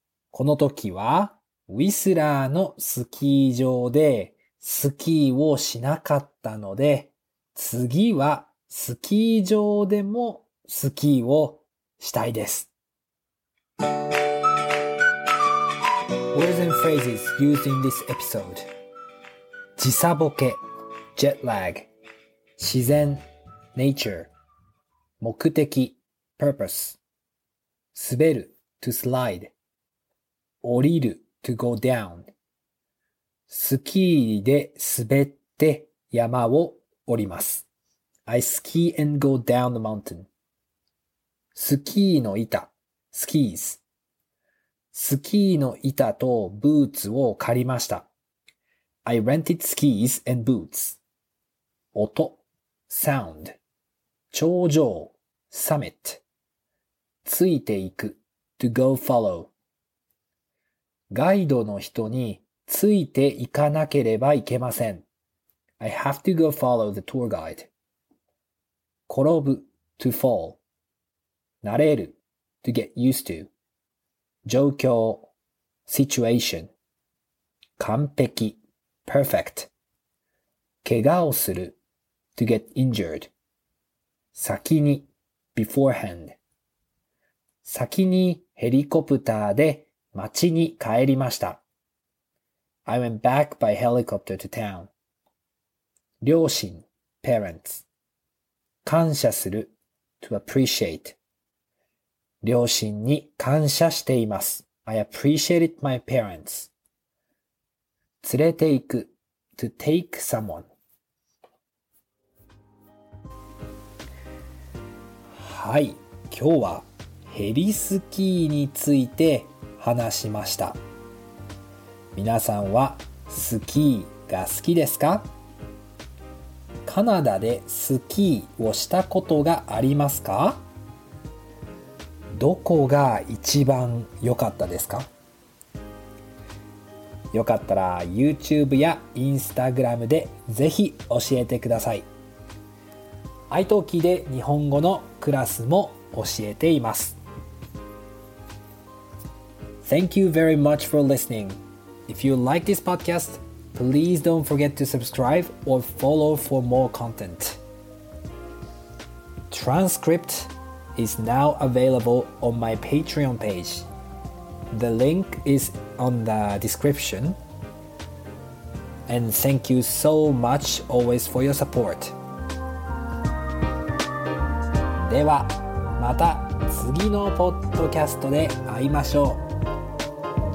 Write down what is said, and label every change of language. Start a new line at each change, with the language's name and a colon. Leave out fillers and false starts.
Japanese: この時はウィスラーのスキー場でスキーをしなかったので、次はスキー場でもスキーをしたいです。
English: Words and phrases used in this episode.
Japanese: 時差ボケ jet lag 自然 nature 目的 purpose 滑る to slide 降りる to go down スキーで滑って山を降ります。
English: I ski and go down the mountain.
Japanese: スキーの板 skis. スキーの板とブーツを借りました。
English: I rented skis and boots. 音 sound.
Japanese: 頂上 summit. ついていく to go follow. ガイドの人についていかなければいけません。
English: I have to go follow the tour guide. 転ぶ to fall.
Japanese: 慣れる to get used to. 状況 situation. 完璧 perfect. 怪我をする to get injured. 先に beforehand. 先にヘリコプターで街に帰りました。
English: I went back by helicopter to town.
Japanese: 両親 parents 感謝する to appreciate 両親に感謝しています
English: I appreciate it my parents
Japanese: 連れて行く to take someone はい今日はヘリスキーについて話しました皆さんはスキーが好きですかカナダでスキーをしたことがありますか？どこが一番良かったですか？よかったら YouTube や Instagram でぜひ教えてください。 iTalkiで日本語のクラスも教えています。
English: Thank you very much for listening. If you like this podcast,Please don't forget to subscribe or follow for more content. Transcript is now available on my Patreon page. The link is on the description. And thank you so much always for your support.
Japanese: ではまた次のポッドキャストで会いましょう。